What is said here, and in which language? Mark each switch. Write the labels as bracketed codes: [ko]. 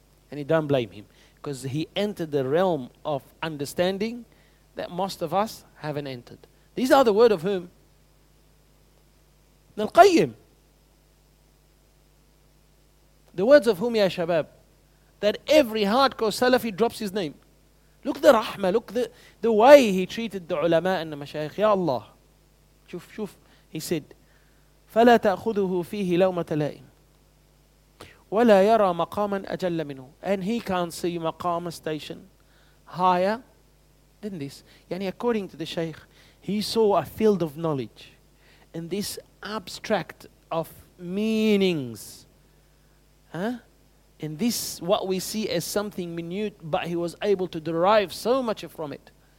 [en] And he don't blame him, because he entered the realm of understanding that most of us haven't entered. These are the word of whom? نَلْقَيِّمْ. The words of whom, ya shabab? That every hardcore Salafi drops his name. Look the rahmah, look the way he treated the ulama and the mashayikh. [ar] Ya Allah. Shuf. [en] He said, [ar] فَلَا تَأْخُذُهُ فِيهِ لَوْمَةَ لَائِمٍ وَلَا يَرَى مَقَامًا أَجَلَّ مِنُهُ. [en] And he can't see maqam, a station higher than this. Yani according to the shaykh, he saw a field of knowledge in this abstract of meanings. And this, what we see as something minute, but he was able to derive so much from it.